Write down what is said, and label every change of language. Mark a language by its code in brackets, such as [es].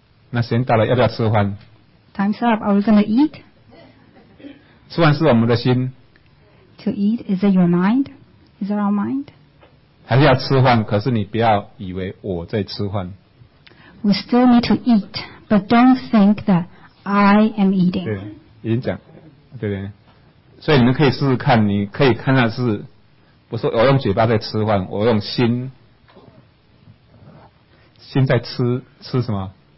[zh] 那时间到了，要不要吃饭？ [en] Time's up, are we going to eat? [zh] 吃饭是我们的心。 [en] To eat, is it your mind? Is it our mind? [zh] 还是要吃饭，可是你不要以为我在吃饭。 [en] We still need to eat, but don't think that I am eating. [zh] 对，已经讲，对不对？所以你们可以试试看，你可以看到是，不是我用嘴巴在吃饭，我用心在吃什么？